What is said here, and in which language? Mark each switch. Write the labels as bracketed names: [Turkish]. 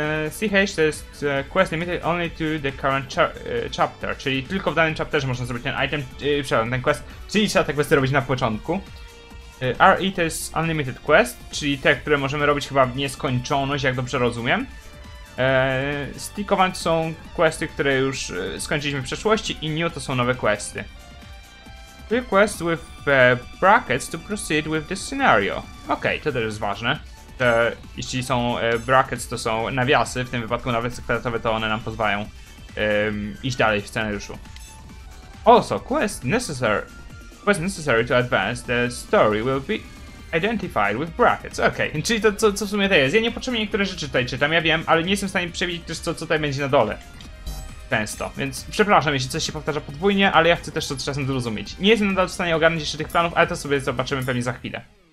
[Polish] CH to jest [English] quest limited only to the current chapter, [Polish] czyli tylko w danym chapterze można zrobić ten item, ten quest, czyli trzeba te questy robić na początku. RE to jest unlimited quest, czyli te, które możemy robić chyba w nieskończoność, jak dobrze rozumiem. Stickowane są questy, które już skończyliśmy w przeszłości, i new to są nowe questy. [English] Three quests with brackets to proceed with this scenario. [Polish] Okej, okay, to też jest ważne. Jeśli są brackets, to są nawiasy, w tym wypadku nawet sekretowe, to one nam pozwalają iść dalej w scenariuszu. [English] Also, quest necessary to advance the story will be identified with brackets. [Polish] Okej, okay. Czyli to co w sumie to jest. Ja nie potrzebuję niektóre rzeczy tutaj czytam, ja wiem, ale nie jestem w stanie przewidzieć też co tutaj będzie na dole. Często, więc przepraszam, jeśli coś się powtarza podwójnie, ale ja chcę też to czasem zrozumieć. Nie jestem nadal w stanie ogarnąć jeszcze tych planów, ale to sobie zobaczymy pewnie za chwilę.